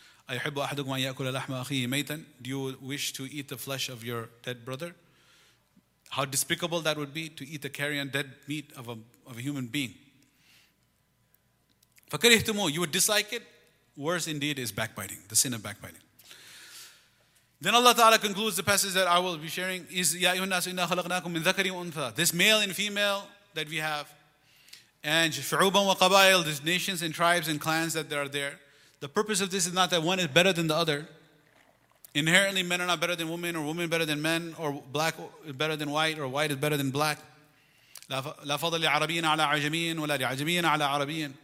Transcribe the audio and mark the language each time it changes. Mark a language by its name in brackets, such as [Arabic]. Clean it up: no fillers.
[Arabic] أَيُحِبُّ أَحَدُكُمْ أَن يَأْكُلَ لَحْمَ أَخِيهِ مَيْتًا. [English] Do you wish to eat the flesh of your dead brother? How despicable that would be, to eat the carrion dead meat of a human being. [Arabic] فَكَرِهْتُمُوا. [English] You would dislike it. Worse indeed is backbiting, the sin of backbiting. Then Allah Ta'ala concludes the passage that I will be sharing. Is [Arabic] يَا أَيُّهَا النَّاسُ إِنَّا خَلَقْنَاكُمْ مِنْ ذَكَرٍ وَأُنْثَى. [English] This male and female that we have. [Arabic] And شُعُوبًا وَقَبَائِل. [English] These nations and tribes and clans that are there. The purpose of this is not that one is better than the other. Inherently, men are not better than women, or women better than men, or black is better than white, or white is better than black. [Arabic] لا فضل لعربين على عجمين ولا لعجمين على عربين.